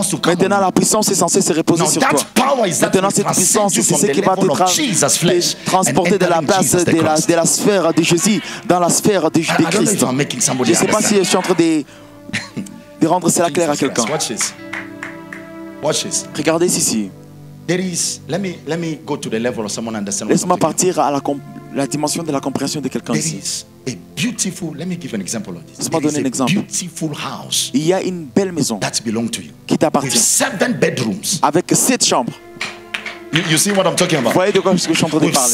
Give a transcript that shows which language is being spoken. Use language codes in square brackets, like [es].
[fr] Maintenant, la puissance est censée se reposer sur toi. Maintenant, cette puissance, c'est ce qui va te transporter de la place, de la sphère sphère de Jésus dans la sphère de Jésus Christ. Je ne sais pas [en] understand. [fr] Si je suis en train de rendre cela clair à quelqu'un. [en] Watch this. Watch this. [fr] Regardez ici. [en] There is. Let me go to the level of someone understand. [fr] Laisse-moi partir à la dimension de la compréhension de quelqu'un. [en] There is a beautiful. Let me give an example of this. [fr] Laisse-moi donner un exemple. [en] Beautiful house. [fr] Il y a une belle maison [en] that belongs to you. [fr] Qui t'appartient. [en] With 7 bedrooms. [fr] Avec 7 chambres. [en] You see what I'm talking about? [fr] Voyez de quoi je suis en train de parler.